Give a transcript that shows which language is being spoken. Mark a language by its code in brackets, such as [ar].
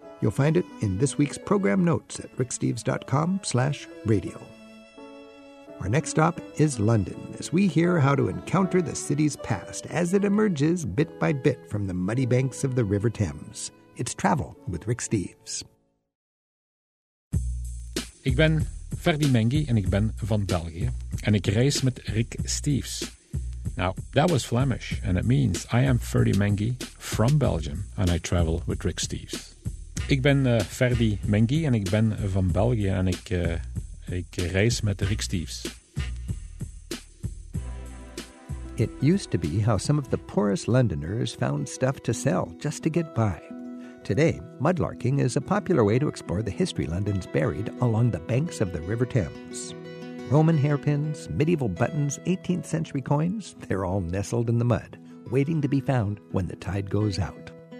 [en] You'll find it in this week's program notes at ricksteves.com/radio. Our next stop is London, as we hear how to encounter the city's past as it emerges bit by bit from the muddy banks of the River Thames. It's Travel with Rick Steves. [nl] Ik ben Ferdy Mengi en ik ben van België. En ik reis met Rick Steves. [en] Now, that was Flemish, and it means I am Ferdy Mengi from Belgium, and I travel with Rick Steves. [nl] Ik ben Ferdy Mengi en ik ben van België en ik reis met Rick Steves. [en] It used to be how some of the poorest Londoners found stuff to sell just to get by. Today, mudlarking is a popular way to explore the history London's buried along the banks of the River Thames. Roman hairpins, medieval buttons, 18th century coins, they're all nestled in the mud, waiting to be found when the tide goes out.